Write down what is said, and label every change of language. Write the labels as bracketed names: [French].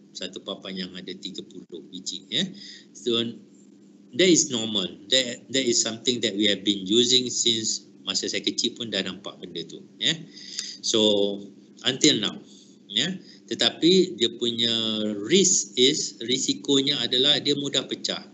[Malay] Satu papan yang ada 30 biji. [English] Yeah. So, that is normal. That is something that we have been using since [Malay] masa saya kecil pun dah nampak benda tu. [English] Yeah. So, until now. Yeah. [Malay] Tetapi dia punya risikonya adalah dia mudah pecah.